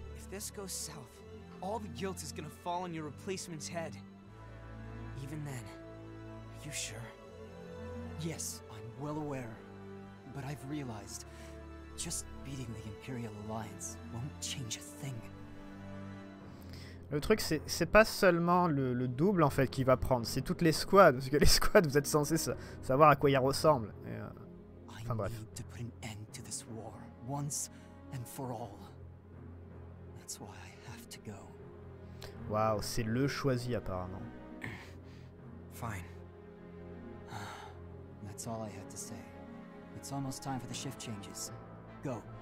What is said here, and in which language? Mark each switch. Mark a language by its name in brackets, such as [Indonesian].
[English] If this goes south, all the guilt is gonna fall on your replacement's head. Even then, are you sure? Yes, I'm well aware. But I've realized, just beating the Imperial Alliance won't change a thing. [French] Le truc, c'est pas seulement le double en fait qui va prendre, c'est toutes les squads, parce que les squads, vous êtes censés savoir à quoi ils ressemblent. Et, enfin bref. [English] I need to put an end to this war, once and for all. That's why I have to go. [French] Wow, c'est le choisi apparemment. [English] Fine. That's all I had to say. It's almost time for the shift changes. Go.